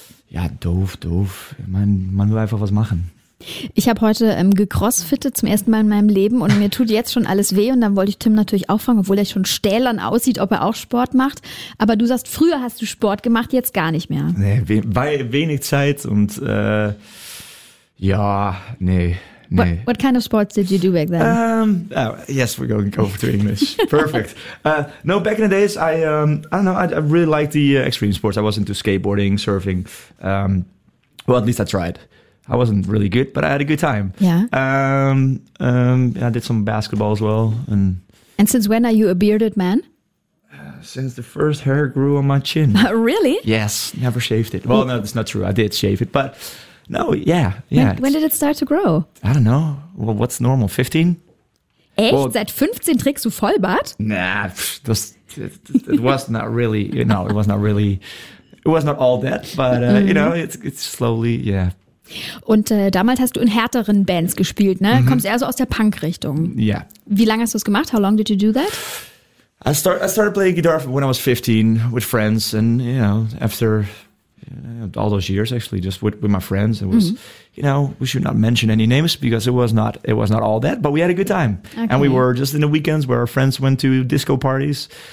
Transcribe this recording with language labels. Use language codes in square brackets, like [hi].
[de] Ja, doof. Ich meine, man will einfach was machen. Ich habe heute gecrossfittet zum ersten Mal in meinem Leben und mir tut jetzt schon alles weh und dann wollte ich Tim natürlich auch fragen, obwohl er schon stählern aussieht, ob er auch Sport macht. Aber du sagst, früher hast du Sport gemacht, jetzt gar nicht mehr. Nee, weil wenig Zeit und [en] What kind of sports did you do back then? Yes, we're going to go to English. Perfect. No, back in the days, I really liked the extreme sports. I was into skateboarding, surfing. At least I tried. I wasn't really good, but I had a good time. Yeah. I did some basketball as well. And since when are you a bearded man? Since the first hair grew on my chin. Really? Yes, never shaved it. Well, no, that's not true. I did shave it, but... No, yeah, yeah. When did it start to grow? I don't know. Well, what's normal? 15? [de] Echt? Well, seit 15 trägst du Vollbart? [en] Nah, it was not really, it was not all that, but, it's slowly, yeah. [de] Und damals hast du in härteren Bands gespielt, ne? Mm-hmm. Kommst eher so aus der Punk-Richtung. [en] Yeah. [de] Wie lange hast du es gemacht? [en] How long did you do that? I started playing guitar when I was 15 with friends and, after... all those years, actually, just with my friends, it was, we should not mention any names because it was not all that. But we had a good time, okay. And we were just in the weekends where our friends went to disco parties.